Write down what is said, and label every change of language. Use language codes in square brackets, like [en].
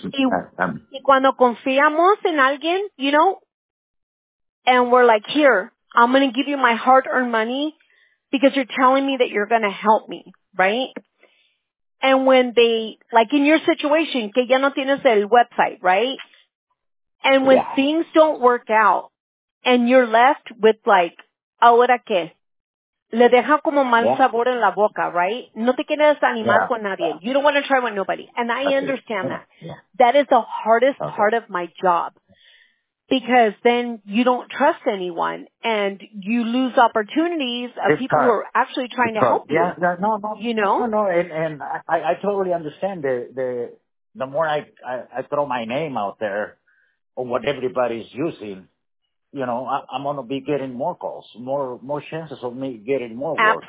[es] Y cuando confiamos en alguien, [en] you know, and we're like, here, I'm going to give you my hard-earned money because you're telling me that you're going to help me, right? And when they, like in your situation, [es] que ya no tienes el website, [en] right? And when things don't work out, and you're left with like, [es] ahora qué? Le deja como mal sabor en la boca, right? No te quieres animar con nadie. [en] Yeah. You don't want to try with nobody. And I understand that. Yeah. That is the hardest part of my job. Because then you don't trust anyone, and you lose opportunities of people who are actually trying to help you. Yeah, no, you know? No, and I totally understand. The more I throw my name out there on what everybody's using, you know, I'm going to be getting more calls, more chances of me getting more work.